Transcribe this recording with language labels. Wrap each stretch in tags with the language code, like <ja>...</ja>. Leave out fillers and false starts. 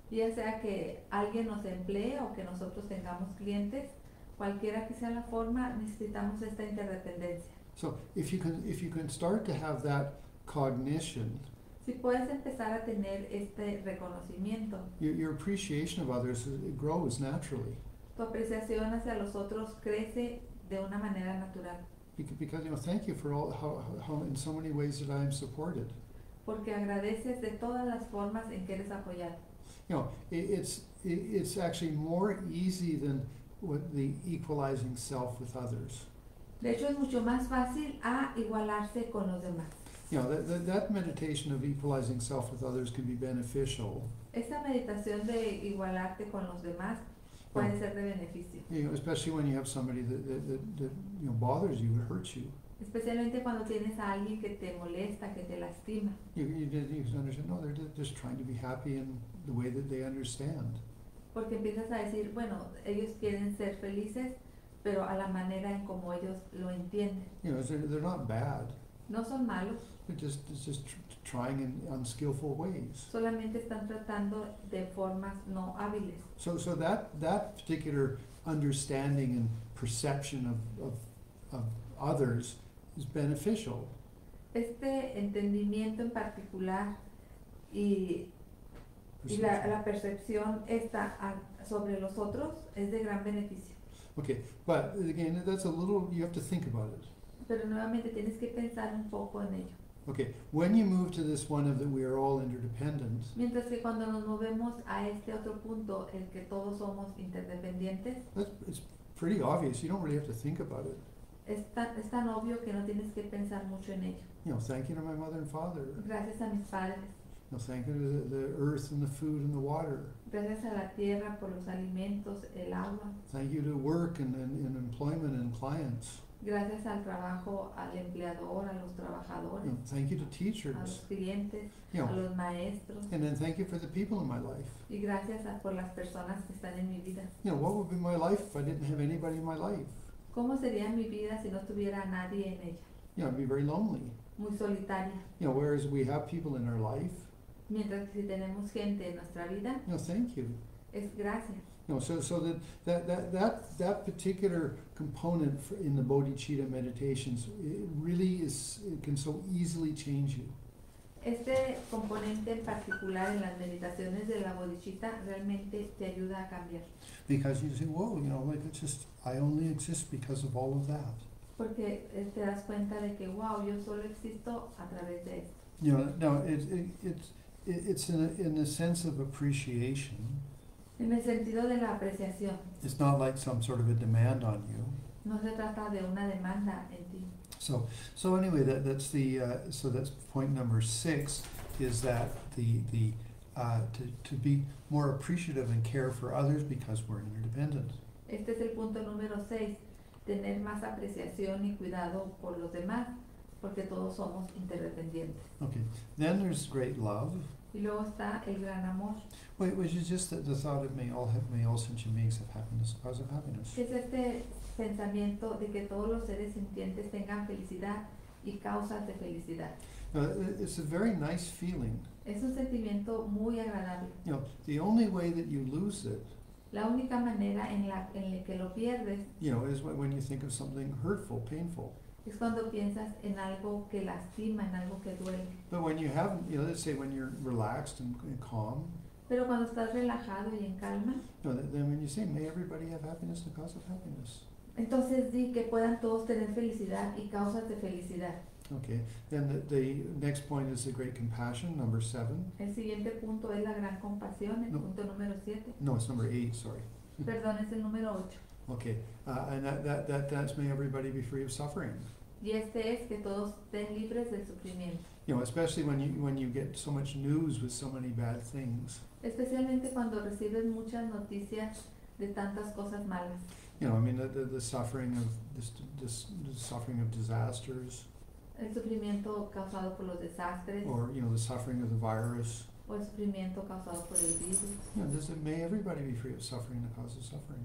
<es>Ya sea que alguien nos emplee o que nosotros tengamos clientes, cualquiera que sea la forma, necesitamos esta interdependencia.</es> <en>So if you can start to have that cognition,</en> <es>si puedes empezar a tener este reconocimiento,</es> <en>your appreciation of others, it grows naturally.</en> <es>Tu apreciación hacia los otros crece de una manera natural.</es> <en>Because, you know, thank you for all how in so many ways that I am supported.</en> <es>Porque agradeces de todas las formas en que eres apoyado.</es> <en>You know, it's actually more easy than with the equalizing self with others.</en> <es>De hecho, es mucho más fácil a igualarse con los demás.</es> <en>You know, that meditation of equalizing self with others can be beneficial.</en> <es>Esta meditación de igualarte con los demás puede ser de beneficio.</es> <en>You know, especially when you have somebody that you know, bothers you, hurts you.</en> <es>Especialmente cuando tienes a alguien que te molesta, que te lastima.</es> <en>You can understand, no, they're just trying to be happy in the way that they understand.</en> <es>Porque empiezas a decir, bueno, ellos quieren ser felices, pero a la manera en como ellos lo entienden.</es> <en>You know, they're not bad.</en> <es>No son malos.</es> <en>It's just trying in unskillful ways.</en> <es>Solamente están tratando de formas no hábiles.</es> <en>So that particular understanding and perception of others is beneficial.</en> <es>Este entendimiento en particular y la percepción esta sobre los otros es de gran beneficio.</es> <en>Okay, but again, that's a little, you have to think about it.</en> <es>Pero nuevamente tienes que pensar un poco en ello.</es> <en>Okay, when you move to this one of that we are all interdependent,</en> <es>Mientras que cuando nos movemos a este otro punto, el que todos somos interdependientes,</es> <en>it's pretty obvious. You don't really have to think about it.</en> <es>es tan obvio que no tienes que pensar mucho en ello.</es> <en>You know, thanking to my mother and father.</en> <es>Gracias a mis padres.</es> <en>You know, thank you to the earth and the food and the water.</en> <es>Gracias a la tierra por los alimentos, el agua.</es> <en>Thank you to work and employment and clients.</en> <es>Gracias al trabajo, al empleador, a los</es> <en>You</en> <es>trabajadores,</es> <en>know, thank you to</en> <es>a los</es> <en>teachers.</en> <es>clientes,</es> <en>You</en> <es>a</es> <en>know,</en> <es>los maestros.</es> <en>and then thank you for the people in my life.</en> <es>Y gracias por las personas que están en mi vida.</es> <en>You know, what would be my life if I didn't have anybody in my life?</en> <es>¿Cómo sería mi vida si no tuviera a nadie en ella?</es> <en>You know, I'd be very lonely.</en> <es>Muy solitaria.</es> <en>You know, whereas we have people in our life.</en> <es>Mientras que si tenemos gente en nuestra vida,</es> <en>No, thank you.</en> <es>es gracias.</es> <en>No, so that particular component in the Bodhicitta meditations, it really is, it can so easily change you.</en> <es>Este componente en particular en las meditaciones de la Bodhicitta realmente te ayuda a cambiar.</es> <en>Because you say, whoa, you know, like it's just, I only exist because of all of that.</en> <es>Porque te das cuenta de que, wow, yo solo existo a través de esto.</es> <en>You know, no, it's in a sense of appreciation.</en> <es>En el sentido de la apreciación.</es> <en>It's not like some sort of a demand on you.</en> <es>No se trata de una demanda en ti.</es> <en>So anyway, so that's point number six, is that to be more appreciative and care for others because we're interdependent.</en> <es>Este es el punto número 6, tener más apreciación y cuidado por los demás, porque todos somos interdependientes.</es> <en>Okay, then there's great love.</en> <es>Y luego está el gran amor.</es> <en>Wait, which is just that the thought of may all sentient beings have happiness, cause of happiness.</en> <es>Es este pensamiento de que todos los seres sintientes tengan felicidad y causas de felicidad.</es> <en>It's a very nice feeling.</en> <es>Es un sentimiento muy agradable.</es> <en>You know, the only way that you lose it,</en> <es>La única manera en la que lo pierdes</es> <en>you know, is when you think of something hurtful, painful.</en> <es>es cuando piensas en algo que lastima, en algo que duele.</es> <en>But when you haven't, you know, let's say when you're relaxed and calm,</en> <es>Pero cuando estás relajado y en calma,</es> <en>you know, then when you say, may everybody have happiness, the cause of happiness.</en> <es>entonces di que puedan todos tener felicidad y causas de felicidad.</es> <en>Okay, then the next point is the great compassion, number seven.</en> <es>El siguiente punto es la gran compasión, el</es> <en>No,</en> <es>punto número 7.</es> <en>it's number eight, sorry.</en> <es>Perdón, es el número 8.</es> <en>Okay, and that's may everybody be free of suffering.</en> <es>Y este es que todos estén libres del sufrimiento.</es> <en>You know, especially when you get so much news with so many bad things.</en> <es>Especialmente cuando recibes muchas noticias de tantas cosas malas.</es> <en>You know, I mean the suffering of the suffering of disasters,</en> <es>El sufrimiento causado por los desastres</es> <en>or you know the suffering of the virus.</en> <es>o el sufrimiento causado por el virus.</es> <en>You know, may everybody be free of suffering, the cause of suffering.</en>